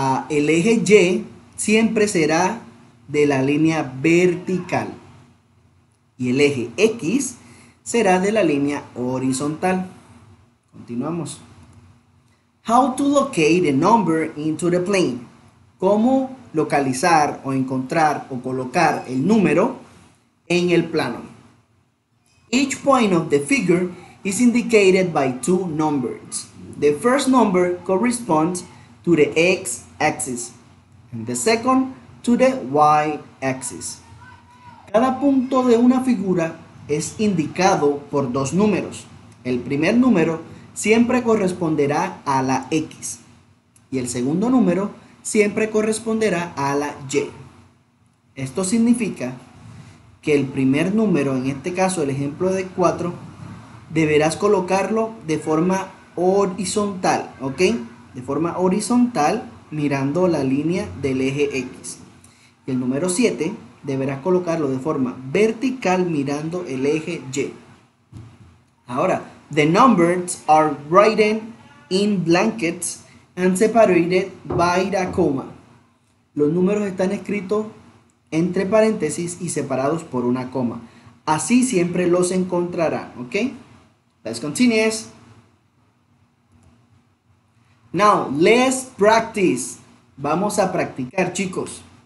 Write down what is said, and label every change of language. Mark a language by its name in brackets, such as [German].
[Spanish] El eje Y siempre será de la línea vertical y el eje X será de la línea horizontal. Continuamos. [English] How to locate a number into the plane? [Spanish] ¿Cómo localizar o encontrar o colocar el número en el plano? [English] Each point of the figure is indicated by two numbers. The first number corresponds to the x-axis, and the second to the y-axis. [Spanish] Cada punto de una figura es indicado por dos números. El primer número siempre corresponderá a la x, y el segundo número siempre corresponderá a la y. Esto significa que el primer número, en este caso el ejemplo de 4, deberás colocarlo de forma horizontal, ¿ok? De forma horizontal, mirando la línea del eje X. Y el número 7, deberás colocarlo de forma vertical, mirando el eje Y. [English] Ahora, the numbers are written in blankets and separated by a comma. [Spanish] Los números están escritos entre paréntesis y separados por una coma. Así siempre los encontrarán, ¿ok? [English] Let's continue. Now, let's practice. [Spanish] Vamos a practicar, chicos.